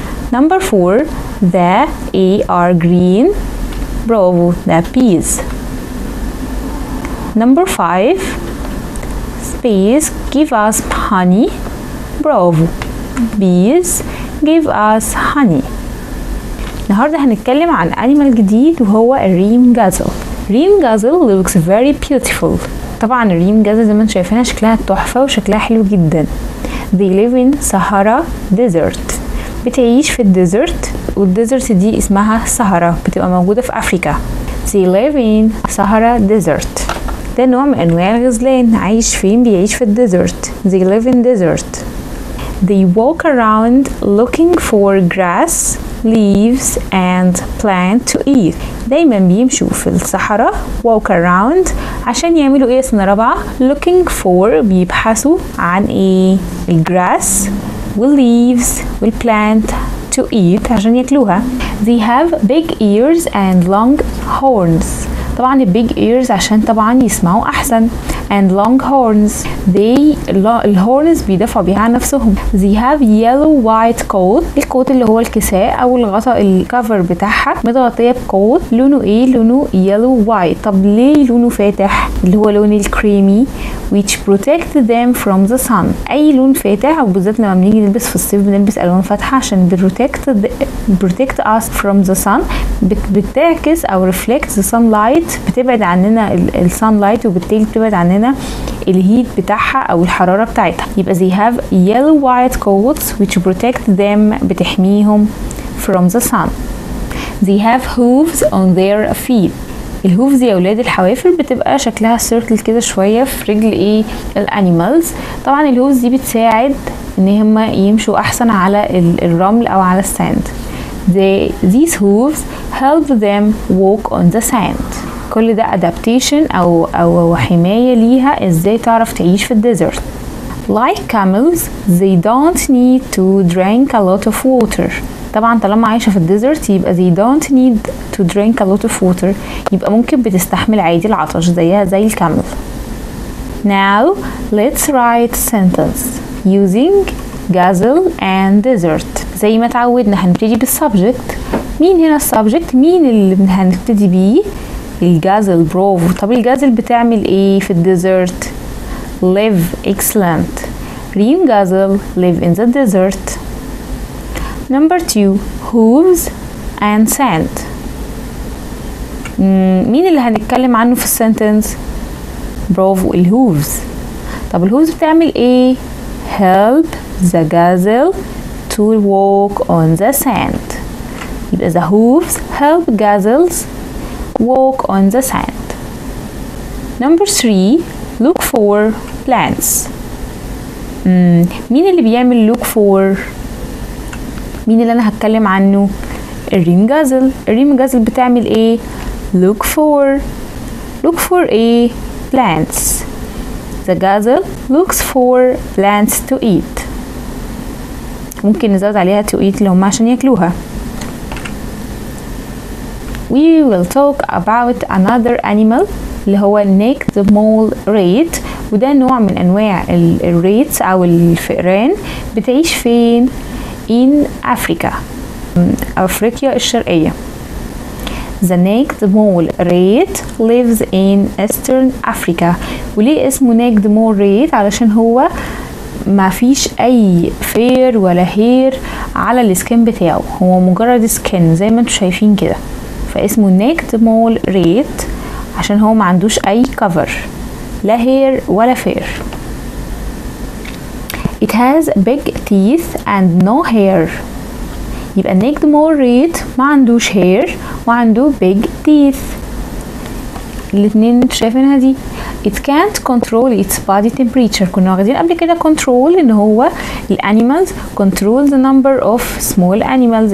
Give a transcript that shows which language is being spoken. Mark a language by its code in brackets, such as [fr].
[en] Number four, the a are green. Bravo, the peas. Number five, space give us honey. Bravo, bees give us honey. [ar] النهاردة هنتكلم عن animal جديد وهو الريم غازل. [en] ريم gazelle looks very beautiful. [ar] طبعا الريم غازل زي ما انتم شايفينها شكلها تحفة وشكلها حلو جدا. [en] They live in Sahara desert. [ar] بتعيش في الديزرت، والديزرت دي اسمها صحراء، بتبقى موجودة في أفريكا. [en] They live in Sahara desert. [ar] ده نوع من أنواع الغزلان. عايش فين؟ بيعيش في الديزرت. [en] They live in desert. They walk around looking for grass, leaves and plant to eat. [ar] دايما بيمشوا في الصحراء، [en] walk around، [ar] عشان يعملوا ايه سنة رابعة؟ [en] looking for، [ar] بيبحثوا عن ايه؟ الgrass [en] will leaves will plant to eat، [ar] عشان ياكلوها. [en] They have big ears and long horns. [ar] طبعا [en] big ears [ar] عشان طبعا يسمعوا احسن، [en] and long horns، they [ar] الهورنز بيدفعوا بيها عن نفسهم. [en] They have yellow white coat. [ar] الكوت اللي هو الكساء او الغطاء الكفر بتاعها متغطيه بكوت لونه ايه؟ لونه [en] yellow white. [ar] طب ليه لونه فاتح؟ اللي هو لون الكريمي، [en] which protect them from the sun. [ar] اي لون فاتح، وبالذات لما بنيجي نلبس في الصيف بنلبس الوان فاتحه عشان [en] protect us from the sun، [ar] بتعكس او [en] reflect the sunlight، [ar] بتبعد عننا sunlight وبالتالي بتبعد عننا الهيت بتاعها او الحراره بتاعتها. [en] يبقى they have yellow white coats which protect them، [ar] بتحميهم [en] from the sun. They have hooves on their feet. [ar] الهوفز يا اولاد الحوافر بتبقى شكلها سيركل كده شويه في رجل ايه؟ الانيمالز. طبعا الهوفز دي بتساعد ان هم يمشوا احسن على الرمل او على الساند. [en] These hooves help them walk on the sand. [ar] كل ده adaptation او حمايه ليها ازاي تعرف تعيش في الديزرت. [en] Like camels they don't need to drink a lot of water. [ar] طبعا طالما عايشه في الديزرت يبقى [en] they don't need to drink a lot of water، [ar] يبقى ممكن بتستحمل عادي العطش زيها زي الكامل. [en] Now let's write sentence using gazelle and desert. [ar] زي ما تعودنا هنبتدي بالسبجكت. مين هنا السبجكت؟ مين اللي هنبتدي بيه؟ الجازل، برافو. طب الجازل بتعمل ايه في الديزرت؟ [en] live، excellent. Rhim gazelle live in the desert. Number two, hooves and sand. [ar] مين اللي هنتكلم عنه في السنتنس؟ برافو، الهوفز. طب الهوفز بتعمل ايه؟ [en] help the gazelle to walk on the sand. يبقى the hooves help gazelles walk on the sand. Number three, look for plants. [ar] مين اللي بيعمل look for؟ مين اللي انا هتكلم عنه؟ الريم غازل. الريم غازل بتعمل ايه؟ [en] look for a plants. The gazelle looks for plants to eat. [ar] ممكن نزود عليها [en] to eat [ar] لهم عشان ياكلوها. [en] We will talk about another animal [ar] اللي هو [en] neck the mole rat. [ar] وده نوع من انواع الريتس او الفئران. بتعيش فين؟ [en] in Africa، [ar] افريقيا الشرقية. [en] The naked mole rat lives in Eastern Africa. [ar] وليه اسمه [en] naked mole rat؟ [ar] علشان هو ما فيش اي فير ولا هير على السكن بتاعه، هو مجرد سكن زي ما انتم شايفين كده، فاسمه naked mole rat عشان هو ما عندوش اي كفر لا هير ولا فير. [en] It has big teeth and no hair. [ar] يبقى نيكد مور ريت ما عندوش هير وعنده [en] big teeth. [ar] الاثنين شايفينها دي. [en] It can't control its body temperature. [ar] كنا واخدين قبل كده [en] control [ar] ان هو الانيمالز [en] control the number of small animals.